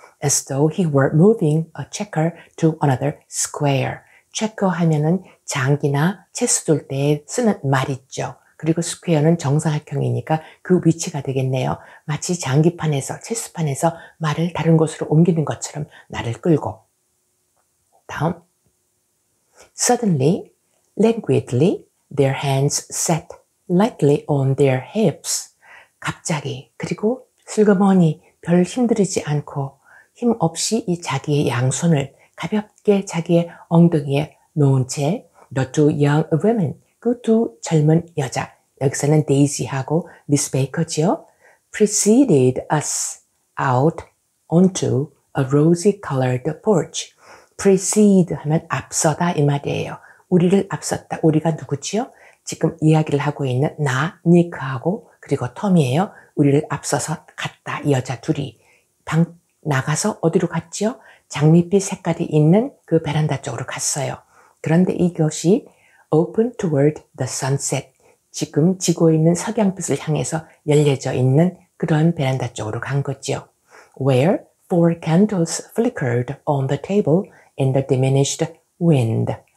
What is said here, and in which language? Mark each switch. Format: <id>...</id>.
<en>As though he were moving a checker to another square.</en> <ko>Checker 하면은 장기나 체스 둘 때 쓰는 말 있죠. 그리고 square는 정사각형이니까 그 위치가 되겠네요. 마치 장기판에서, 체스판에서 말을 다른 곳으로 옮기는 것처럼 나를 끌고. 다음.</ko> <en>Suddenly, languidly, their hands set lightly on their hips.</en> <ko>갑자기, 그리고 슬그머니, 별 힘들이지 않고 힘 없이 이 자기의 양손을 가볍게 자기의 엉덩이에 놓은 채</ko> <en>the two young women,</en> <ko>그 두 젊은 여자, 여기서는 데이지하고 미스 베이커지요,</ko> <en>preceded us out onto a rosy-colored porch.</en> <ko>precede 하면 앞서다 이 말이에요. 우리를 앞섰다. 우리가 누구지요? 지금 이야기를 하고 있는 나, 니크하고 그리고 톰이에요. 우리를 앞서서 갔다. 이 여자 둘이 방 나가서 어디로 갔지요? 장미빛 색깔이 있는 그 베란다 쪽으로 갔어요. 그런데 이것이</ko> <en>open toward the sunset.</en> <ko>지금 지고 있는 석양빛을 향해서 열려져 있는 그런 베란다 쪽으로 간 거지요.</ko> <en>Where four candles flickered on the table in the diminished wind.</en>